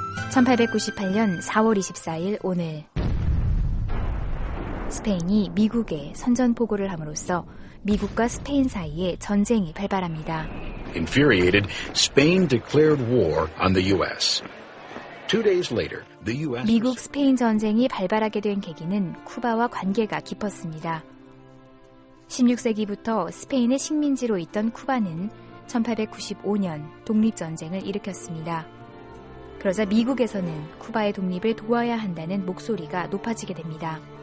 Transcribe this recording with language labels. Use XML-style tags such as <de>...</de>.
<ko>1898년 4월 24일 오늘. 스페인이 미국에 선전 포고를 함으로써 미국과 스페인 사이에 전쟁이 발발합니다.</ko> <en>Infuriated, Spain declared war on the U.S. Two days later, the U.S.</en> <ko>미국 스페인 전쟁이 발발하게 된 계기는 쿠바와 관계가 깊었습니다. 16세기부터 스페인의 식민지로 있던 쿠바는 1895년 독립 전쟁을 일으켰습니다. 그러자 미국에서는 쿠바의 독립을 도와야 한다는 목소리가 높아지게 됩니다.</ko>